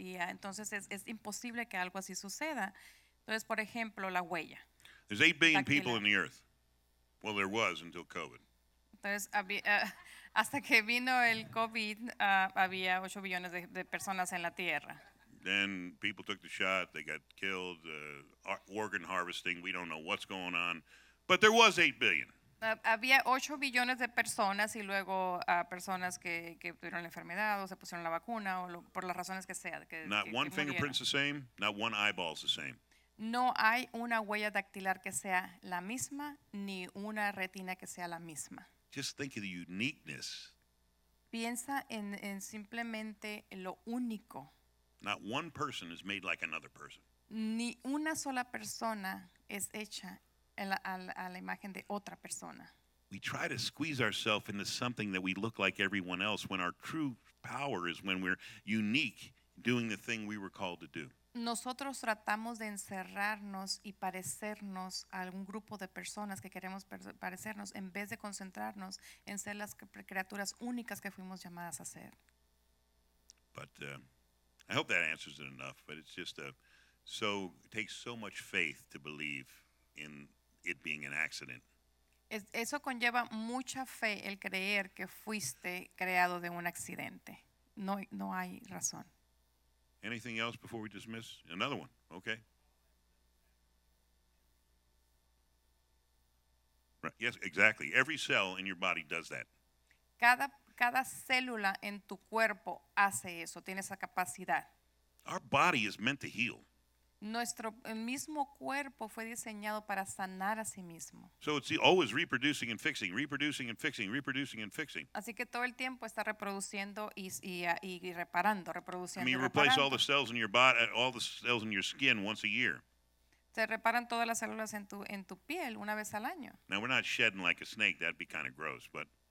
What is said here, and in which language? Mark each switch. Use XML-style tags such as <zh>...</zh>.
<es>Y entonces es imposible que algo así suceda. Entonces, por ejemplo, la huella.</es> <en>There's 8 billion people in the earth. Well, there was until COVID.</en> <es>Entonces, hasta que vino el COVID, había 8 billones de personas en la tierra.</es> <en>Then people took the shot, they got killed, organ harvesting, we don't know what's going on. But there was 8 billion.</en> <es>Había 8 billones de personas y luego personas que tuvieron la enfermedad o se pusieron la vacuna o por las razones que sea.</es> <en>Not one fingerprint's the same, not one eyeball's the same.</en> <es>No hay una huella dactilar que sea la misma ni una retina que sea la misma.</es> <en>Just think of the uniqueness.</en> <es>Piensa en simplemente lo único.</es> <en>Not one person is made like another person.</en> <es>Ni una sola persona es hecha a la imagen de otra persona.</es> <en>We try to squeeze ourselves into something that we look like everyone else when our true power is when we're unique doing the thing we were called to do.</en> <es>Nosotros tratamos de encerrarnos y parecernos a algún grupo de personas que queremos parecernos en vez de concentrarnos en ser las criaturas únicas que fuimos llamadas a ser.</es> <en>But I hope that answers it enough, but it's just it takes so much faith to believe in it being an accident.</en> <es>Eso conlleva mucha fe el creer que fuiste creado de un accidente. No hay razón.</es> <en>Anything else before we dismiss? Another one, okay. Right. Yes, exactly. Every cell in your body does that.</en> <es>Cada célula en tu cuerpo hace eso, tiene esa capacidad.</es> <en>Our body is meant to heal.</en> <es>Nuestro mismo cuerpo fue diseñado para sanar a sí mismo.</es> <en>So it's always reproducing and fixing, reproducing and fixing, reproducing and fixing.</en> <es>Así que todo el tiempo está reproduciendo y reparando, reproduciendo.</es> <en>I mean, replace</en> <es>reparando.</es> <en>All the cells in your body, all the cells in your skin once a year.</en> <es>Se reparan todas las células en tu piel una vez al año.</es> <en>Now we're not shedding like a snake, that'd be kind of gross, but.</en>